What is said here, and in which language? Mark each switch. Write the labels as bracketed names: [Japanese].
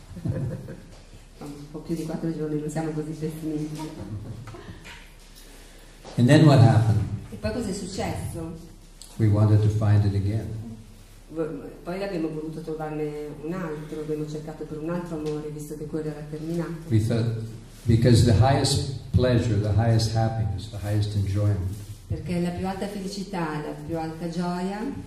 [Italian] Un po' più di 4 giorni, non siamo così pessimisti. [English] And then what happened? [Italian] E poi cosa è successo? [English] We wanted to find it again. [Italian] Poi abbiamo voluto trovarne un altro, abbiamo cercato per un altro amore, visto che quello era terminato. [English] We thought, because the highest pleasure, the highest happiness, the highest enjoyment, [Italian] Perché la più alta felicità, la più alta gioia